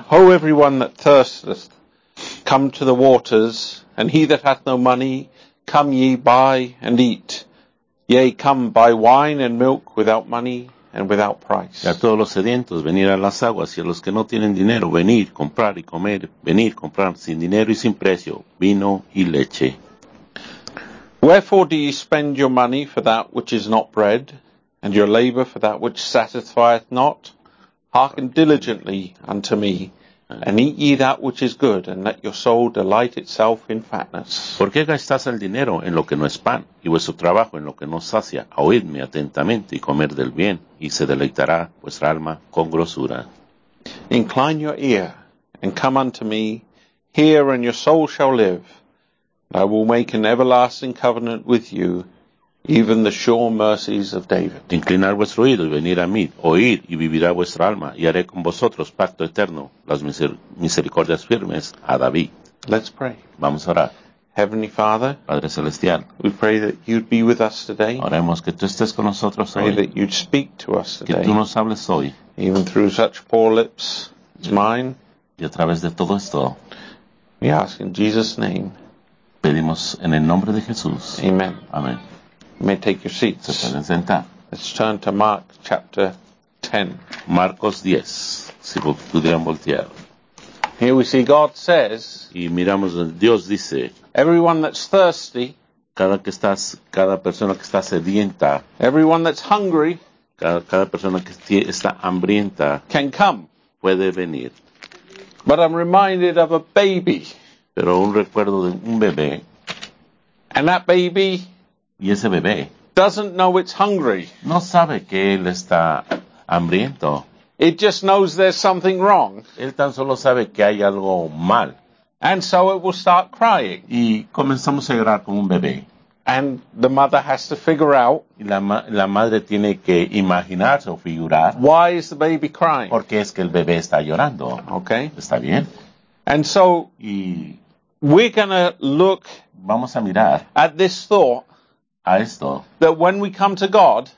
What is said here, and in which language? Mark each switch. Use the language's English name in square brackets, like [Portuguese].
[English] Ho, everyone that thirsteth, come to the waters. And he that hath no money, come ye, buy and eat. Yea, come, buy wine and milk without money and without price. [Spanish] Y a todos los sedientos, venir a las aguas. Y a los que no tienen dinero, venir, comprar y comer. Venir, comprar, sin dinero y sin precio, vino y leche. [English] Wherefore do ye spend your money for that which is not bread, and your labor for that which satisfieth not? Hearken diligently unto me. And eat ye that which is good, and let your soul delight itself in fatness. [Spanish] ¿Por qué gastas el dinero en lo que no es pan, y vuestro trabajo en lo que no sacia? Oídme atentamente, y comer del bien, y se deleitará vuestra alma con grosura. [English] Incline your ear, and come unto me, hear, and your soul shall live. I will make an everlasting covenant with you, even the sure mercies of David. [Spanish] Inclinar vuestro oído y venir a mí, oír y vivirá vuestra alma, y haré con vosotros pacto eterno, las misericordias firmes a David. [English] Let's pray. [Spanish] Vamos a orar. [English] Heavenly Father, [Spanish] Padre Celestial, [English] we pray that you'd be with us today. [Spanish] Oremos que tú estés con nosotros hoy. [English] That you'd speak to us today. [Spanish] Que tú nos hables hoy. [English] Even through such poor lips as mine. [Spanish] Y a través de todo esto. [English] We ask in Jesus' name. [Spanish] Pedimos en el nombre de Jesús. [English] Amen. [Spanish] Amén. [English] You may take your seats. [Spanish] Se pueden sentar. [English] Let's turn to Mark chapter 10. [Spanish] Marcos 10. Si pudieran voltear. [English] Here we see God says. [Spanish] Y miramos, Dios dice. [English] Everyone that's thirsty. [Spanish] Cada persona que está sedienta. [English] Everyone that's hungry. [Spanish] Cada persona que está hambrienta. [English] Can come. [Spanish] Puede venir. [English] But I'm reminded of a baby. [Spanish] Pero un recuerdo de un bebé. [English] And that baby. [Spanish] Y ese bebé [English] doesn't know it's hungry. [Spanish] No sabe que él está hambriento. [English] It just knows there's something wrong. [Spanish] Él tan solo sabe que hay algo mal. [English] And so it will start crying. [Spanish] Y comenzamos a llorar como un bebé. [English] And the mother has to figure out. [Spanish] Y la madre tiene que imaginarse o figurar. [English] Why is the baby crying? [Spanish] Porque es que el bebé está llorando. [English] Okay. [Spanish] Está bien. [English] And so [Spanish] y [English] we're gonna look. [Spanish] Vamos a mirar [English] at this thought. [Spanish] A esto, [English] that when we come to God,